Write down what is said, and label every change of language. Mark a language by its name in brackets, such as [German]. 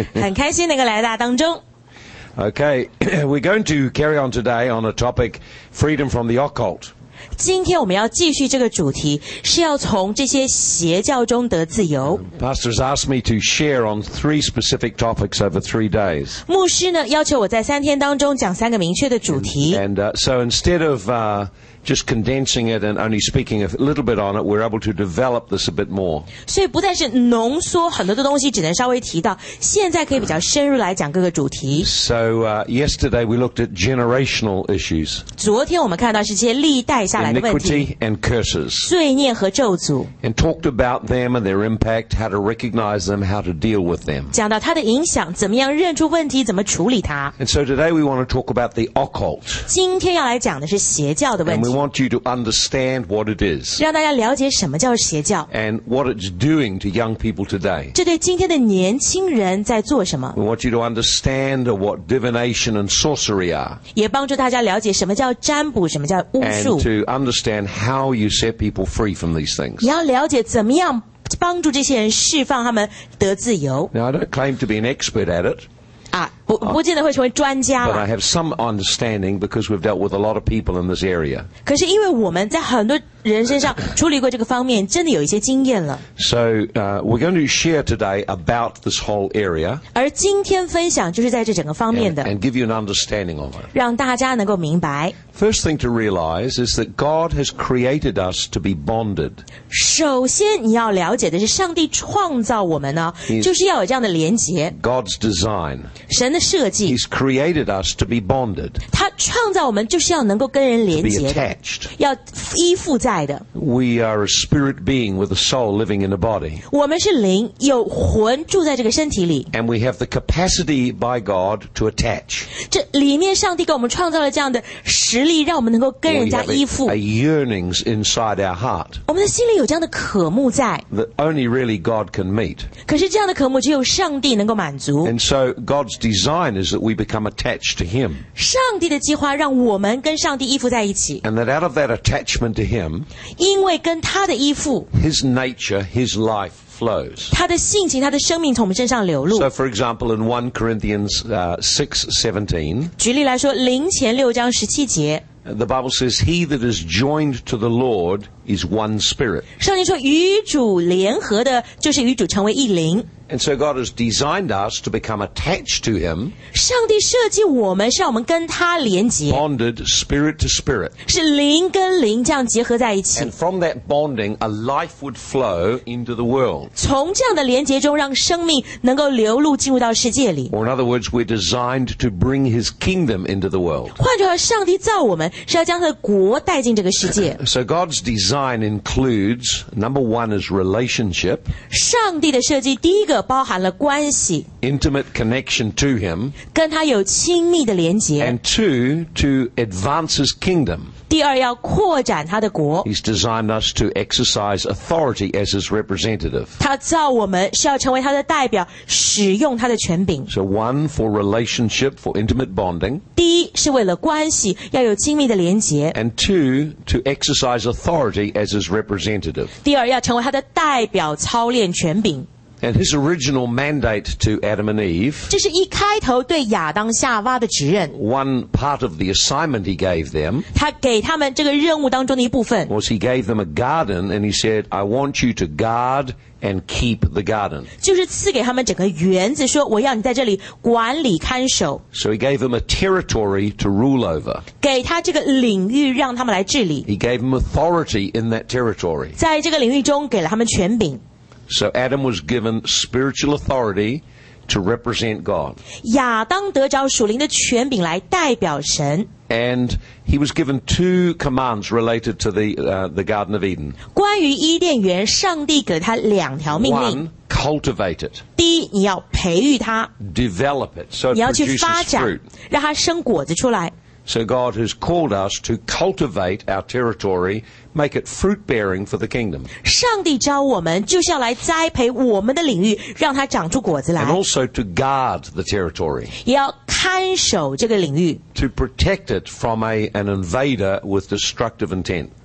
[English] Okay, we're going to carry on today on a topic, freedom from the occult. [Chinese] 今天我们要继续这个主题，是要从这些邪教中得自由。 [English] Pastor has asked me to share on three specific topics over 3 days. [Chinese] 牧师呢，要求我在三天当中讲三个明确的主题。 [English] And so instead of just condensing it and only speaking a little bit on it, we're able to develop this a bit more. [Chinese] 所以不但是浓缩很多的东西，只能稍微提到，现在可以比较深入来讲各个主题。 [English] So yesterday we looked at generational issues. [Chinese] 昨天我们看到是这些历代下来的问题。 [English] Iniquity and curses. [Chinese] 罪孽和咒诅。 [English] And talked about them and their impact, how to recognize them, how to deal with them. [Chinese] 讲到它的影响，怎么样认出问题，怎么处理它。 [English] And so today we want to talk about the occult. [Chinese] 今天要来讲的是邪教的问题。 [English] We want you to understand what it is. [Chinese] 让大家了解什么叫邪教。 [English] And what it's doing to young people today. [Chinese] 这对今天的年轻人在做什么。 [English] We want you to understand what divination and sorcery are. [Chinese] 也帮助大家了解什么叫占卜，什么叫巫术。 [English] And to understand how you set people free from these things. [Chinese] 你要了解怎么样帮助这些人释放他们得自由。 [English] Now I don't claim to be an expert at it. [Chinese] 啊。不见得会成为专家 [English] 了。But I have some understanding because we've dealt with a lot of people in this area. [Chinese] 可是因为我们在很多人身上处理过这个方面，真的有一些经验了。 [English] So we're going to share today about this whole area. [Chinese] 而今天分享就是在这整个方面的。 [English] And give you an understanding of it. [Chinese] 让大家能够明白。 [English] First thing to realize is that God has created us to be bonded. [Chinese] 首先你要了解的是，上帝创造我们呢，就是要有这样的连结。 [English] God's design. [Chinese] 神 [English] He's created us to be bonded. [Chinese] 他创造我们就是要能够跟人连接的 [English] to be attached. [Chinese] 要依附在的 [English] We are a spirit being with a soul living in a body. [Chinese] 我们是灵，有魂住在这个身体里 [English] And we have the capacity by God to attach. [Chinese] 这里面上帝给我们创造了这样的实力，让我们能够跟人家依附 [English] We have a yearnings inside our heart. [Chinese] 我们的心里有这样的渴慕在 [English] That only really God can meet. [Chinese] 可是这样的渴慕只有上帝能够满足 [English] And so God's design is that we become attached to him. [Chinese] 上帝的计划让我们跟上帝依附在一起。 [English] And that out of that attachment to him, [Chinese] 因为跟他的依附, [English] his nature, his life flows. [Chinese] 他的性情,他的生命从我们身上流露。 [English] So for example, in 1 Corinthians 6:17, [Chinese] 举例来说,林前六章十七节, [English] the Bible says, he that is joined to the Lord is one spirit. [Chinese] 上帝说,与主联合的就是与主成为一灵。 [English] And so God has designed us to become attached to Him. [Chinese] 上帝设计我们是让我们跟他连接 [English] Bonded spirit to spirit. [Chinese] 是灵跟灵这样结合在一起 [English] And from that bonding, a life would flow into the world. [Chinese] 从这样的连接中让生命能够流露进入到世界里 [English] Or in other words, we're designed to bring His kingdom into the world. [Chinese] 换句话说，上帝造我们是要将他的国带进这个世界 [English] So God's design includes, number one is relationship. [Chinese] 上帝的设计第一个包含了关系 [English] intimate connection to him [Chinese] 跟他有亲密的连结 [English] and two to advance his kingdom [Chinese] 第二要扩展他的国 [English] he's designed us to exercise authority as his representative [Chinese] 他造我们是要成为他的代表使用他的权柄 [English] so one for relationship for intimate bonding [Chinese] 第一是为了关系要有亲密的连结 [English] and two to exercise authority as his representative [Chinese] 第二要成为他的代表操练权柄 [English] And his original mandate to Adam and Eve. [Chinese] 这是一开头对亚当夏娃的指认。 [English] One part of the assignment he gave them. [Chinese] 他给他们这个任务当中的一部分。 [English] Was he gave them a garden and he said, I want you to guard and keep the garden. [Chinese] 就是赐给他们整个园子说我要你在这里管理看守。 [English] So he gave them a territory to rule over. [Chinese] 给他这个领域让他们来治理。 [English] He gave them authority in that territory. [Chinese] 在这个领域中给了他们权柄。 [English] So Adam was given spiritual authority to represent God. [Chinese] 亚当得着属灵的权柄来代表神。 [English] And he was given two commands related to the Garden of Eden. [Chinese] 关于伊甸园，上帝给了他两条命令。 [English] One, cultivate it. [Chinese] 第一，你要培育它。 [English] Develop it. So it [Chinese] 你要去发展， [English] fruit. [Chinese] 让它生果子出来。 [English] So God has called us to cultivate our territory, make it fruit-bearing for the kingdom. [Chinese] 上帝召我们就是要来栽培我们的领域，让它长出果子来。 [English] And also to guard the territory. [Chinese] 也要看守这个领域。 [English] To protect it from an invader with destructive intent.